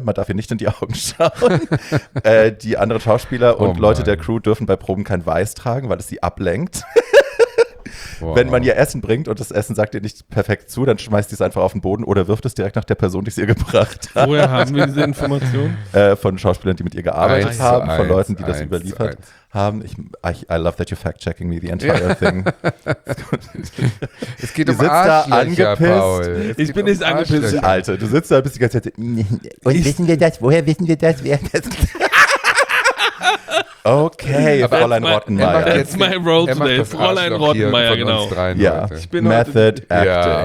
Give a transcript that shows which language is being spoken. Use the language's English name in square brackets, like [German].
[German] Man darf ihr nicht in die Augen schauen. Die anderen Schauspieler und Leute der Crew dürfen bei Proben kein Weiß tragen, weil es sie ablenkt. Wenn man ihr Essen bringt und das Essen sagt ihr nicht perfekt zu, dann schmeißt sie es einfach auf den Boden oder wirft es direkt nach der Person, die es ihr gebracht hat. Woher haben wir diese Information? Von Schauspielern, die mit ihr gearbeitet haben, von Leuten, die das überliefert haben. [English] I love that you're fact-checking me the entire thing. [German] Es geht um Arschlöcher, angepisst. Paul. Ich bin nicht angepisst. Alter, du sitzt da und bist die ganze Zeit. Und wissen wir das? Woher wissen wir das? Wer das? Okay, aber Fräulein Rottenmeier. [English] That's my role today. Fräulein Rottenmeier, genau. [German] Ja. Ich bin Method Acting. Ja,